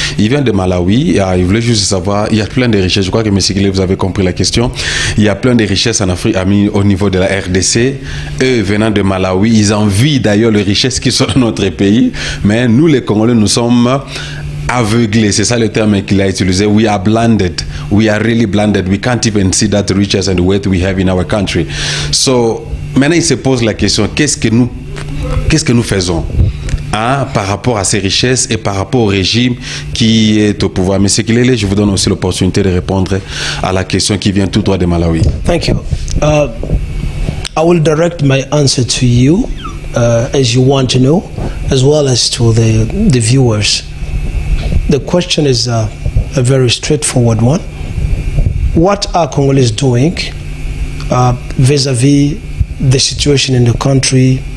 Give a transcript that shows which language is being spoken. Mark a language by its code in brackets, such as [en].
[fr] Il vient de Malawi et il voulait juste savoir, il y a plein de richesses, je crois que Monsieur Kilele vous avez compris la question. Il y a plein de richesses en Afrique, au niveau de la RDC, eux venant de Malawi, ils envient d'ailleurs les richesses qui sont dans notre pays, mais nous les Congolais nous sommes aveuglés, c'est ça le terme qu'il a utilisé. [en] We are blinded, we are really blinded, we can't even see that riches and wealth we have in our country. [fr] So maintenant il se pose la question, qu'est-ce que nous faisons hein, par rapport à ces richesses et par rapport au régime qui est au pouvoir. Monsieur Kilele, je vous donne aussi l'opportunité de répondre à la question qui vient tout droit de Malawi. [en] Thank you. I will direct my answer to you, as you want to know, as well as to the viewers. The question is a very straightforward one. What are Congolese doing vis-a-vis the situation in the country?